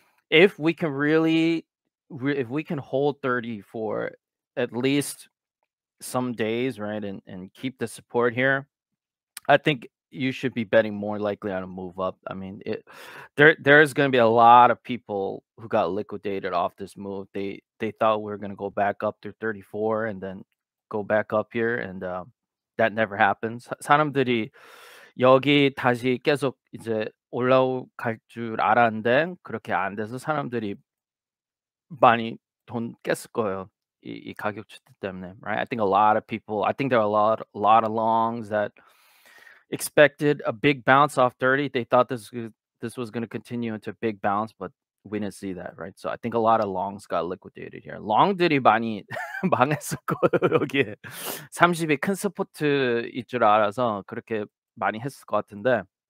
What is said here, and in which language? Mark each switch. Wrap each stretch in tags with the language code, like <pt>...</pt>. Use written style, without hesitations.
<en>If we can really, if we can hold 30 for at least some days, right, and keep the support here, I think you should be betting more likely on a move up. I mean, there's going to be a lot of people who got liquidated off this move. They thought we were going to go back up to 34 and then go back up here, and that never happens.</en> <ko>사람들이 여기 다시 계속 이제 올라갈 줄 알았는데 그렇게 안 돼서 사람들이 많이 돈 깼을 거예요. 이 가격 추세 때문에,</ko> <en>right? I think a lot of people, I think there are a lot of longs that expected a big bounce off 30. They thought this was going to continue into a big bounce, but we didn't see that, right? So I think a lot of longs got liquidated here.</en> <ko>Long들이 많이 망했었고, 여기 30이 큰 서포트일 줄 알아서 그렇게 많이 했을 것 같은데.</ko>